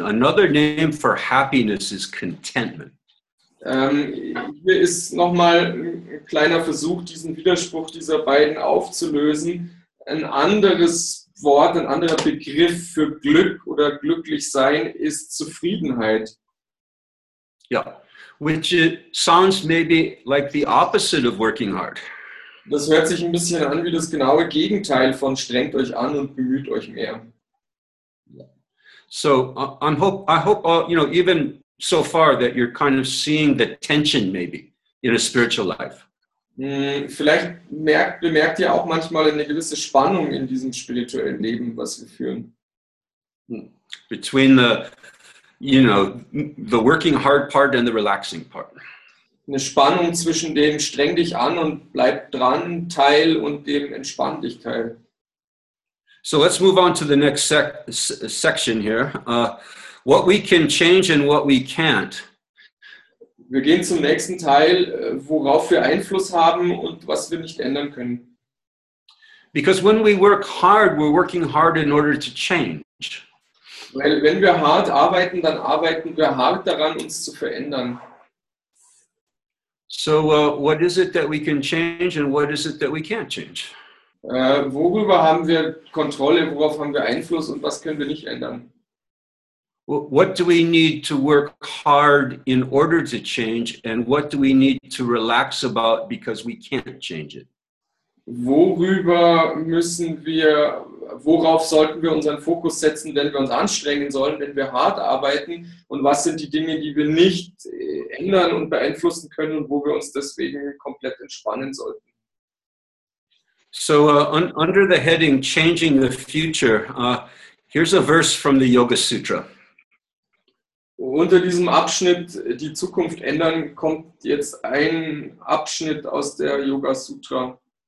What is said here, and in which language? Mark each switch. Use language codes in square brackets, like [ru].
[en] Another name for happiness is contentment. [de] Hier ist nochmal ein kleiner Versuch, diesen Widerspruch dieser beiden aufzulösen. Ein anderes Wort, ein anderer Begriff für Glück oder glücklich sein ist Zufriedenheit. [en] Ja, which it sounds maybe like the opposite of working hard. [de] Das hört sich ein bisschen an wie das genaue Gegenteil von strengt euch an und bemüht euch mehr. [en] So I hope all, you know, even so far that you're kind of seeing the tension maybe in a spiritual life. [de] Vielleicht bemerkt ihr auch manchmal eine gewisse Spannung in diesem spirituellen Leben, was wir führen. [en] Between the, you know, the working hard part and the relaxing part. [de] Eine Spannung zwischen dem streng dich an und bleib dran Teil und dem entspann dich Teil. [en] So let's move on to the next section here. What we can change and what we can't. [de] Wir gehen zum nächsten Teil, worauf wir Einfluss haben und was wir nicht ändern können. [en] Because when we work hard, we're working hard in order to change. [de] Weil wenn wir hart arbeiten, dann arbeiten wir hart daran, uns zu verändern. [en] So what is it that we can change and what is it that we can't change? [de] Worüber haben wir Kontrolle, worauf haben wir Einfluss und was können wir nicht ändern? [en] What do we need to work hard in order to change and what do we need to relax about because we can't change it? [de] Worauf sollten wir unseren Fokus setzen, wenn wir uns anstrengen sollen, wenn wir hart arbeiten und was sind die Dinge, die wir nicht ändern und beeinflussen können und wo wir uns deswegen komplett entspannen sollten. [en] So under the heading Changing the Future, here's a verse from the Yoga Sutra. [de] Unter diesem Abschnitt die Zukunft ändern kommt jetzt ein Abschnitt aus der Yoga Sutra.